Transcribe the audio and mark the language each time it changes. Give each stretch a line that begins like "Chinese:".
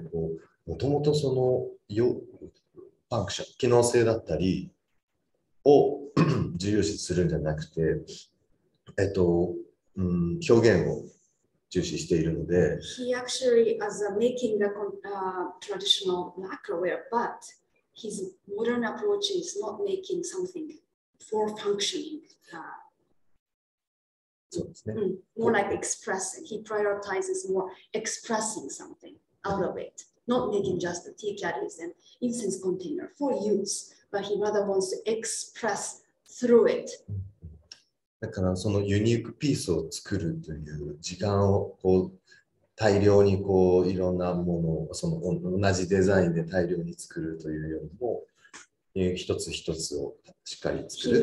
Japanese: こう、もともとその、ファンクション、機能性だったりを重要視するんじゃなくて、表現を重視しているので。
English: He actually as a making the traditional lacquerware, but his modern approach is not making something for functioning.
Japanese: そうですね。
English: More like expressing. He prioritizes more expressing something. Out of it, not making just the tea caddies and incense container for use, but he rather wants to express through it.
Japanese: だからそのユニークピースを作るという時間をこう大量にこういろんなものをその同じデザインで大量に作るというよりも一つ一つをしっかり作る